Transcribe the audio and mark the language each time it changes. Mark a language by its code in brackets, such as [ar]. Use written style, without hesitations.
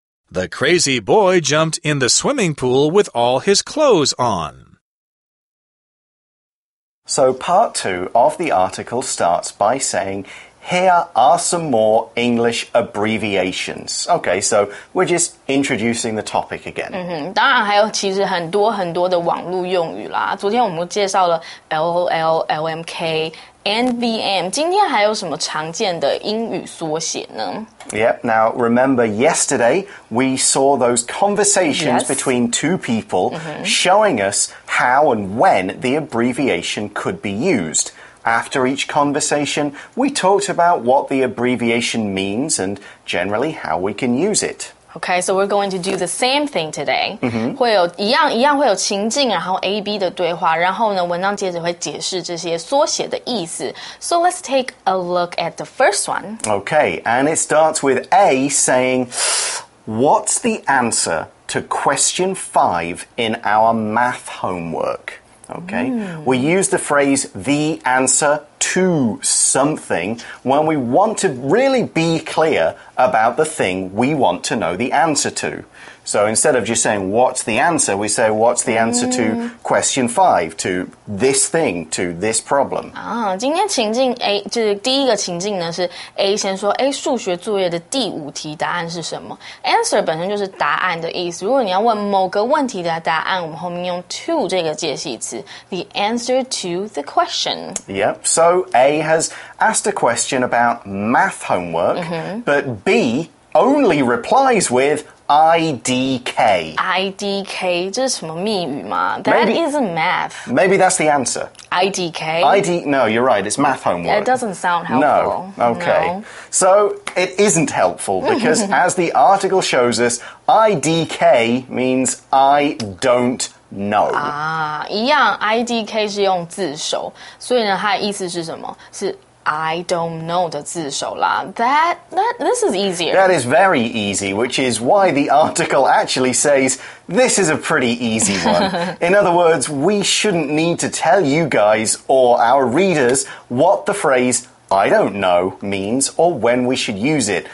[en] The crazy boy jumped in the swimming pool with all his clothes on. So part two of the article starts by saying, here are some more English abbreviations. Okay, so we're just introducing the topic again. [zh] 当然还有其实很多很多的网络用语啦。昨天我们介绍了 LOL, LMK, NVM. 今天还有什么常见的英语缩写呢? [en] Yep, now remember yesterday, we saw those conversations between two people showing us how and when the abbreviation could be used. After each conversation, we talked about what the abbreviation means and generally how we can use it. Okay, so we're going to do the same thing today. Mm-hmm. [zh] 会有一样会有情境，然后 AB 的对话，然后呢，文章接着会解释这些缩写的意思。 [en] So let's take a look at the first one. Okay, and it starts with A saying, what's the answer to question 5 in our math homework? Okay, we use the phrase the answer to something when we want to really be clear about the thing we want to know the answer to. So instead of just saying what's the answer, we say what's the answer to question 5, to this thing, to this problem. [zh] 今天情境 A, 就是第一个情境呢是 A 先说数学作业的第五题答案是什么。 Answer 本身就是答案的意思。如果你要问某个问题的答案我们后面用 to 这个介系词 [en] The answer to the question. Yep, so A has asked a question about math homework, but B only replies withIDK. [zh] IDK, 这是什么秘语吗? [en] That is math. Maybe that's the answer. IDK? No, you're right, it's math homework. It doesn't sound helpful. No, okay. No. So, it isn't helpful, because as the article shows us, IDK means I don't know. [zh] 一样 ,IDK 是用字首,所以呢,它的意思是什么? 是 [en] I don't know [zh] 的字首啦 [en] This is easier. That is very easy, which is why the article actually says, this is a pretty easy one. In other words, we shouldn't need to tell you guys or our readers what the phrase I don't know means or when we should use it.